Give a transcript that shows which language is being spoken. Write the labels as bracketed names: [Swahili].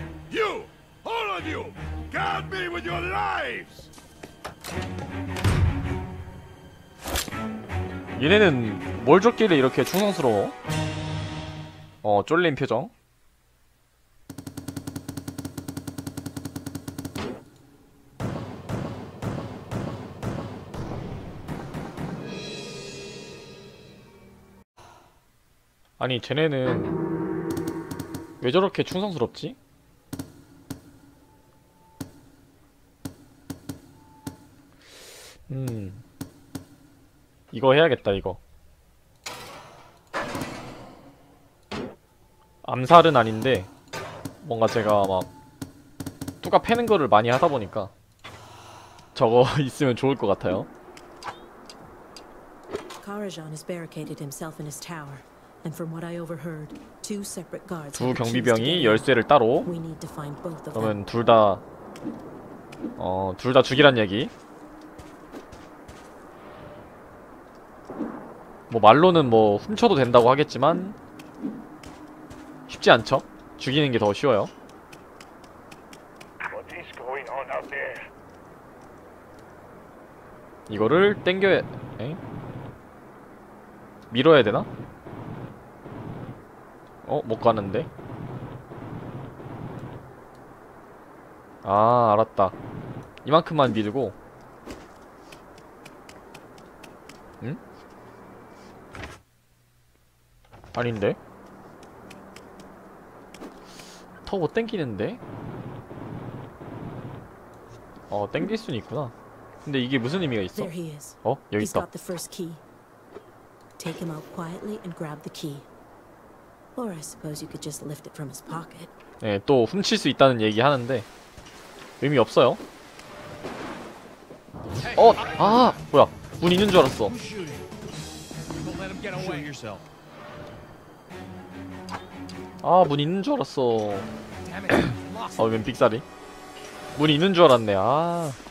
[English] You, all of you, guard me with your lives. [Korean] 얘네는 뭘 줬길래 이렇게 충성스러워? 어, 쫄린 표정. 아니, 쟤네는 왜 저렇게 충성스럽지? 이거 해야겠다, 이거. 암살은 아닌데, 뭔가 제가 막, 뚜가 패는 거를 많이 하다 보니까, 저거 있으면 좋을 것 같아요. [English] Karajan has barricaded himself in his tower. And from what I overheard, two separate guards. [Korean] 두 경비병이 열쇠를 따로. 그러면 둘 다, 둘 다 죽이란 얘기. 뭐 말로는 뭐 훔쳐도 된다고 하겠지만 쉽지 않죠. 죽이는 게 더 쉬워요. [English] What is going on out there? [Korean] 이거를 땡겨야, 에? 밀어야 되나? 어? 못 가는데? 아, 알았다. 이만큼만 밀고. 응? 아닌데? 더 못 땡기는데? 어, 땡길 수는 있구나. 근데 이게 무슨 의미가 있어? 어? 여기 있다. [English] Take him out quietly and grab the key. Or I suppose you could just lift it from his pocket. [Korean] 네, 또 훔칠 수 있다는 얘기 하는데 의미 없어요. 어, 아, 뭐야? 문 있는 줄 알았어. 아, 문 있는 줄 알았어. 아, 웬 빅사리? 문 있는 줄 알았네. 아.